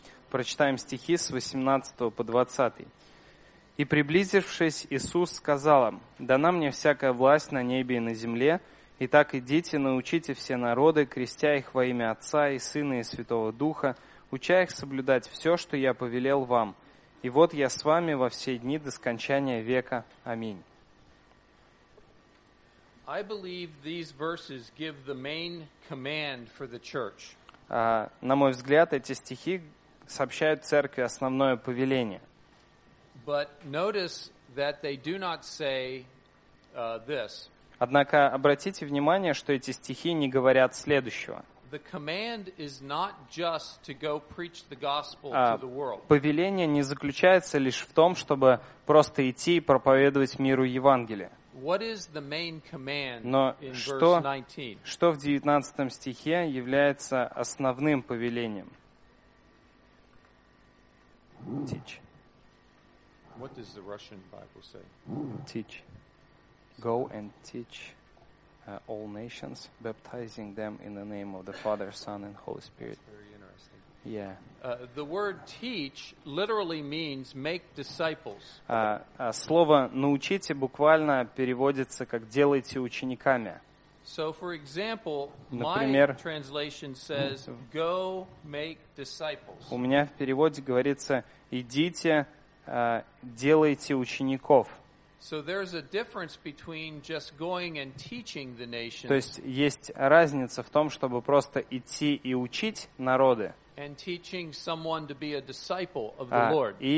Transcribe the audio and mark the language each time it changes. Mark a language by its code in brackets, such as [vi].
[ru] Прочитаем стихи с 18 по 20. «И приблизившись, Иисус сказал им, «Дана мне всякая власть на небе и на земле, и так идите, научите все народы, крестя их во имя Отца и Сына и Святого Духа, уча их соблюдать все, что я повелел вам. И вот я с вами во все дни до скончания века. Аминь». [en] I believe these verses give the main command for the church. [ru] На мой взгляд, эти стихи сообщают церкви основное повеление. [en] But notice that they do not say this. [ru] Однако обратите внимание, что эти стихи не говорят следующего. [en] The command is not just to go preach the gospel to the world. [ru] Повеление не заключается лишь в том, чтобы просто идти и проповедовать миру Евангелие. [en] What is the main command in verse 19? [ru] Что в 19 стихе является основным повелением? [en] Teach. What does the Russian Bible say? Teach. Go and teach all nations, baptizing them in the name of the Father, Son, and Holy Spirit. That's very interesting. Yeah. The word teach literally means make disciples. [ru] Слово научите буквально переводится как делайте учениками. [en] So for example, [ru] Например, [en] my translation says go make disciples. [ru] У меня в переводе говорится идите, делайте учеников. [en] So there's a difference between just going and teaching the nations. [ru] То есть есть разница в том, чтобы просто идти и учить народы. [en] And teaching someone to be a disciple of the Lord.